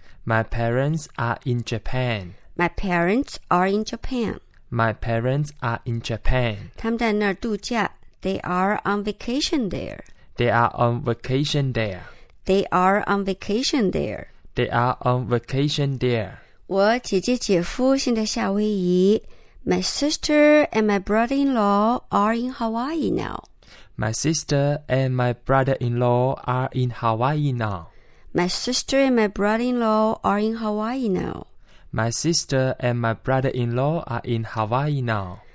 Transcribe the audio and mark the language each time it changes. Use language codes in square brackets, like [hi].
[en] My parents are in Japan My parents are in Japan. My parents are in Japan. [zh] 他们在那儿度假。 [en] They are on vacation there. They are on vacation there. They are on vacation there. They are on vacation there. [zh] 我姐姐姐夫现在夏威夷。 [en] My sister and my brother-in-law are in Hawaii now. My sister and my brother-in-law are in Hawaii now. My sister and my brother-in-law are in Hawaii now. My sister and my brother-in-law are in Hawaii now.